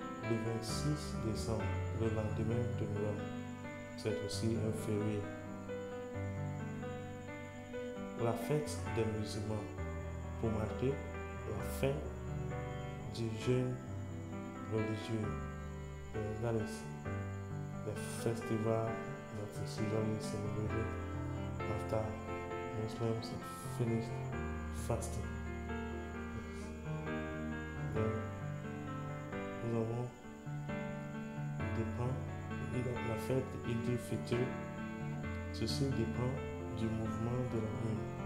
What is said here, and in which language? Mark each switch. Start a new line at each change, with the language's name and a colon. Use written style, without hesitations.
French: Le 26 décembre, le lendemain de Noël. C'est aussi un férié. La fête des musulmans pour marquer la fin du jeûne religieux.
English: That is the festival that is usually celebrated after Muslims have finished fasting. Then,
French: nous avons dépend la fête Eid al-Fitr. Ceci dépend du mouvement de la lune.